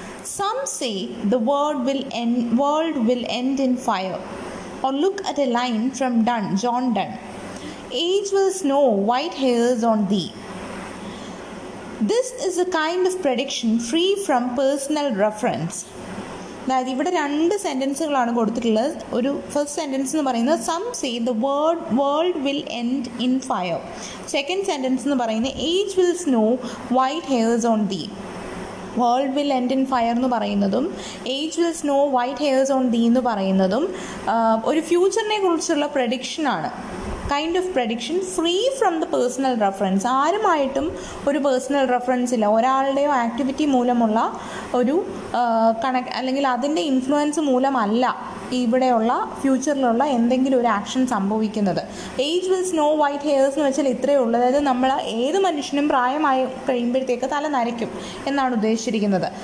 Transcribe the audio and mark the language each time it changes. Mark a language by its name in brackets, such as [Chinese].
[English] Some say the world will end in fire. Or look at a line from John Donne. Age will snow white hairs on thee. This is a kind of prediction free from personal reference. [Malayalam] അതായത് ഇവിടെ രണ്ട് സെൻറ്റൻസുകളാണ് കൊടുത്തിട്ടുള്ളത്. ഒരു first sentence എന്ന് പറയുന്നത് [English] Some say the world will end in fire. [Malayalam] Second sentence എന്ന് പറയുന്നത് [English] Age will snow white hairs on the. World will end in fire [Malayalam] എന്ന് പറയുന്നതും [English] age will snow white hairs on the [Malayalam] എന്ന് പറയുന്നതും ഒരു ഫ്യൂച്ചറിനെ കുറിച്ചുള്ള പ്രെഡിക്ഷനാണ്. [English] Kind of prediction free from the personal reference. [Malayalam] ആരുമായിട്ടും ഒരു personal reference ഇല്ല. ഒരാളുടെയോ ആക്ടിവിറ്റി മൂലമുള്ള ഒരു കണക്ട് അല്ലെങ്കിൽ അതിൻ്റെ ഇൻഫ്ലുവൻസ് മൂലമല്ല ഇവിടെയുള്ള ഫ്യൂച്ചറിലുള്ള എന്തെങ്കിലും ഒരു ആക്ഷൻ സംഭവിക്കുന്നത്. [English] age will snow white hairs [Malayalam] എന്ന് വെച്ചാൽ ഇത്രയേ ഉള്ളൂ. അതായത് നമ്മൾ ഏത് മനുഷ്യനും പ്രായമായി കഴിയുമ്പോഴത്തേക്ക് തല നരയ്ക്കും എന്നാണ് ഉദ്ദേശിച്ചിരിക്കുന്നത്.